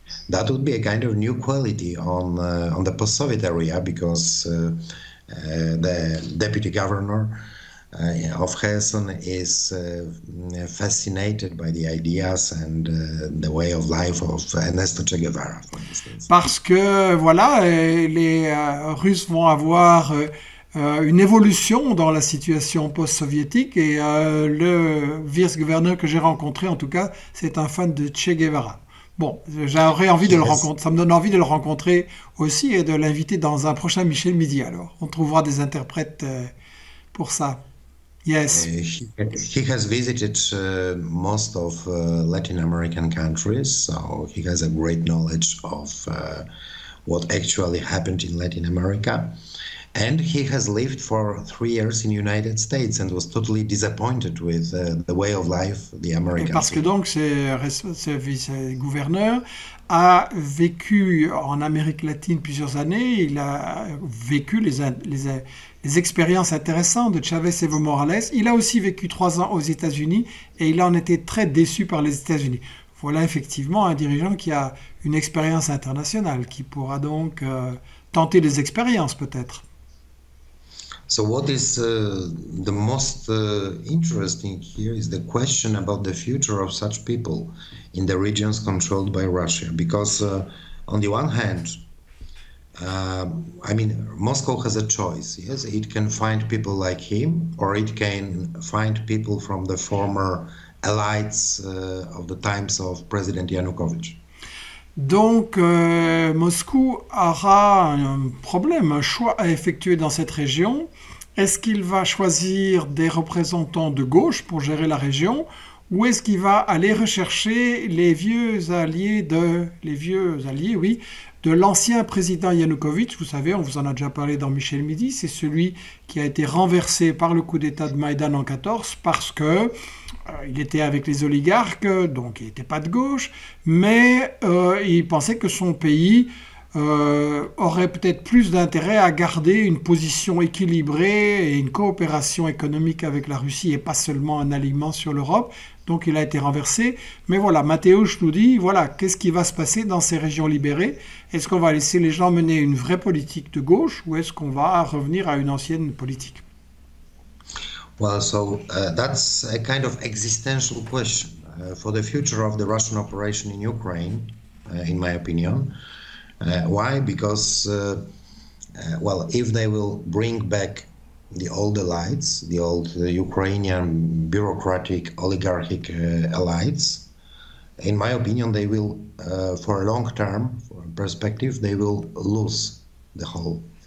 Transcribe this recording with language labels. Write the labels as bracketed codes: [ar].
[en] That would be a kind of new quality on the post-Soviet area because the deputy governor of Kherson is fascinated by the ideas and the way of life of Ernesto Che Guevara, for instance. [fr] Parce que voilà, les Russes vont avoir une évolution dans la situation post-soviétique et le vice-gouverneur que j'ai rencontré, en tout cas, c'est un fan de Che Guevara. Bon, j'aurais envie de le [en] Yes. [fr] rencontrer. Ça me donne envie de le rencontrer aussi et de l'inviter dans un prochain Michel Midi. Alors, on trouvera des interprètes pour ça. [en] Yes. He has visited most of Latin American countries, so he has a great knowledge of what actually happened in Latin America. And he has lived for 3 years in the United States and was totally disappointed with the way of life the Americans. [fr] Parce que donc ce vice-gouverneur a vécu en Amérique latine plusieurs années, il a vécu les expériences intéressantes de Chavez Evo Morales, il a aussi vécu 3 ans aux États-Unis et il en était très déçu par les États-Unis. Voilà effectivement un dirigeant qui a une expérience internationale, qui pourra donc tenter des expériences peut-être. [en] So what is the most interesting here is the question about the future of such people in the regions controlled by Russia. Because on the one hand, I mean, Moscow has a choice. Yes, it can find people like him, or it can find people from the former allies of the times of President Yanukovych. [fr] Donc, Moscou aura un problème, un choix à effectuer dans cette région. Est-ce qu'il va choisir des représentants de gauche pour gérer la région ou est-ce qu'il va aller rechercher les vieux alliés de l'ancien président Yanukovych? Vous savez, on vous en a déjà parlé dans Michel Midi, c'est celui qui a été renversé par le coup d'État de Maïdan en 14 parce que il était avec les oligarques, donc il n'était pas de gauche, mais il pensait que son pays aurait peut-être plus d'intérêt à garder une position équilibrée et une coopération économique avec la Russie et pas seulement un alignement sur l'Europe. Donc il a été renversé. Mais voilà, Mateusz nous dit, voilà, qu'est-ce qui va se passer dans ces régions libérées? Est-ce qu'on va laisser les gens mener une vraie politique de gauche ou est-ce qu'on va revenir à une ancienne politique? [en] Well, so that's a kind of existential question for the future of the Russian operation in Ukraine, in my opinion. Why? Because, well, if they will bring back the old elites, the old Ukrainian bureaucratic oligarchic elites, in my opinion, they will, for a long term perspective, they will lose the whole.